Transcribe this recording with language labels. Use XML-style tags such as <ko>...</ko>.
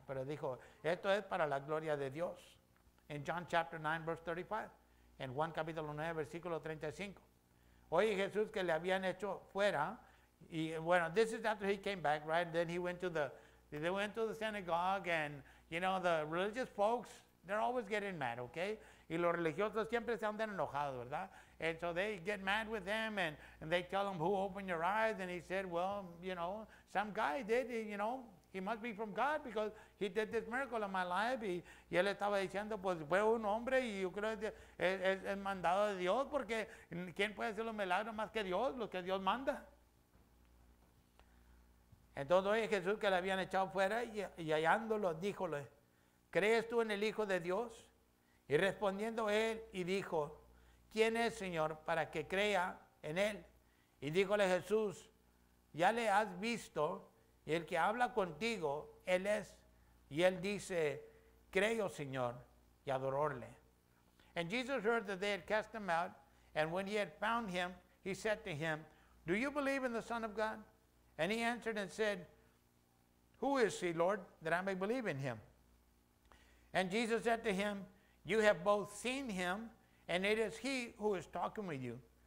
<es>Pero dijo, esto es para la gloria de Dios.</es> <en>In John chapter 9, verse 35.</en> <es>En Juan capítulo 9, versículo 35. Oye Jesús que le habían hecho fuera.</es> <en>Y bueno, this is after he came back, right? And then he went to the synagogue, and you know, the religious folks, they're always getting mad, okay?</en> <es>Y los religiosos siempre se andan enojados, ¿verdad?</es> <en>And so they get mad with him, and they tell him, who opened your eyes? And he said, well, you know, some guy did, you know, he must be from God because he did this miracle in my life.</en> <es>Y él estaba diciendo, pues fue un hombre y yo creo que es mandado de Dios, porque ¿quién puede hacer los milagros más que Dios, lo que Dios manda? Entonces oye Jesús que le habían echado fuera y hallándolo, díjole, ¿crees tú en el Hijo de Dios? Y respondiendo él y dijo, ¿quién es, Señor, para que crea en él? Y díjole Jesús, ya le has visto, y el que habla contigo, él es. Y él dice, creo, Señor, y adorarle.</es> <en>And Jesus heard that they had cast him out, and when he had found him, he said to him, do you believe in the Son of God? And he answered and said, who is he, Lord, that I may believe in him? And Jesus said to him, you have both seen him, and it is he who is talking with you.</en>